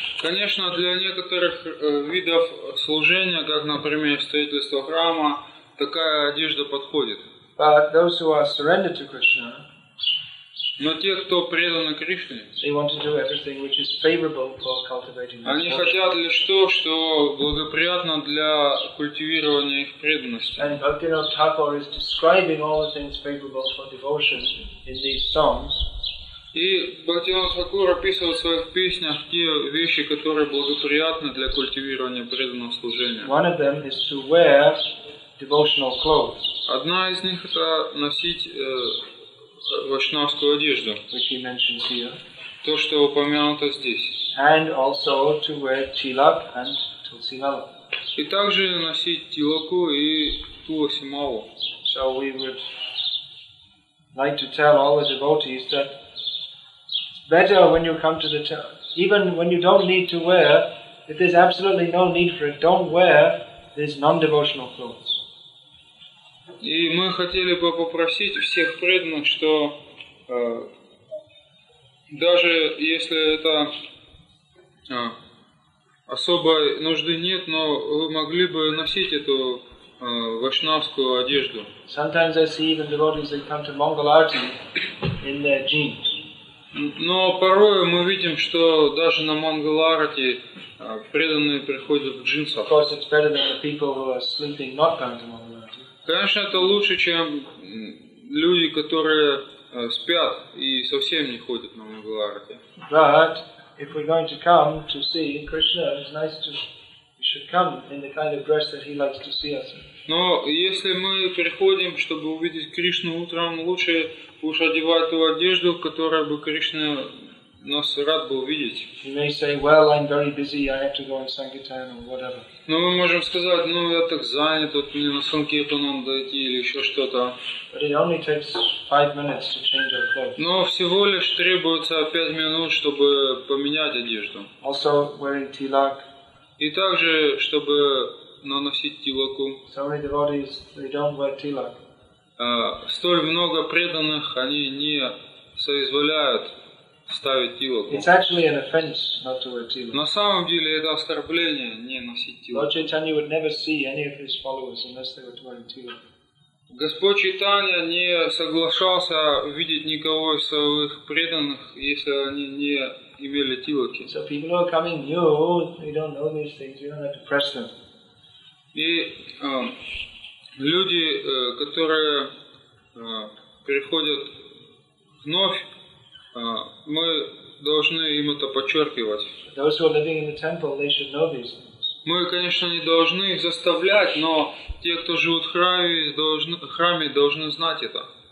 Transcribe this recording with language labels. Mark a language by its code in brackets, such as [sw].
[ru] Конечно, для некоторых видов служения, как, например, строительство храма, такая одежда подходит. [en] But those who are surrendered to Krishna, [ru] но те, кто преданы Кришне, [en] they want to do everything which is favorable for cultivating. [ru] Они хотят лишь то, что благоприятно для культивирования их преданности. [en] And Bhaktivinoda Thakur is describing all the things favorable for devotion in these songs. [ru] И Бхактивинода Тхакур описывает в своих песнях те вещи, которые благоприятны для культивирования преданного служения. [en] One of them is to wear devotional clothes. [ru] Одна из них это носить вайшнавскую одежду, [en] which he mentions here, [ru] то, что упомянуто здесь, [en] and also to wear tilak and tulsimala. [ru] И также носить тилаку и тулсималу. [en] So we would like to tell all the devotees that it's better when you come to the temple, even when you don't need to wear, if there's absolutely no need for it, don't wear these non-devotional clothes. [ru] И мы хотели бы попросить всех преданных, что даже если это особой нужды нет, но вы могли бы носить эту вайшнавскую одежду. [en] Sometimes I see even devotees that come to Mongol Arti in their jeans. [ru] Но порой мы видим, что даже на Mongol Arti преданные приходят в джинсах. [en] Of course, it's better than the people who are sleeping not coming to Mongol Arti. [ru] Конечно, это лучше, чем люди, которые спят и совсем не ходят на Мангаларте. [en] But if we're going to come to see Krishna, it's nice to we should come in the kind of dress that he likes to see us in. [ru] Но если мы приходим, чтобы увидеть Кришну утром, лучше уж одевать ту одежду, которую бы Кришна нас рад был видеть. [en] You may say, well, I'm very busy, I have to go in Sankirtan or whatever. [ru] Но мы можем сказать, ну я так занят, вот мне на Санкиртан надо идти или еще что-то. [en] But it only takes 5 minutes to change our clothes. [ru] Но всего лишь требуется 5 минут, чтобы поменять одежду. [en] Also wearing tilak. [ru] И также, чтобы наносить тилаку. [en] So many devotees, they don't wear tilak. [ru] Столь много преданных, они не соизволяют ставить тилаку. [en] It's actually an offense not to wear tilak. [ru] На самом деле это оскорбление не носить тилаку. [en] Lord Chaitanya would never see any of his followers unless they were wearing tilak. [ru] Господь Чайтанья не соглашался видеть никого из своих преданных, если они не имели тилаки. [en] So people are coming new, they don't know these things, you don't have to press them. [ru] И люди, которые приходят вновь, мы должны им это подчеркивать. [en] Those who are living in the temple, they should know these things. [ru] Мы, конечно, не должны их заставлять, но те, кто живут в храме, должны знать это.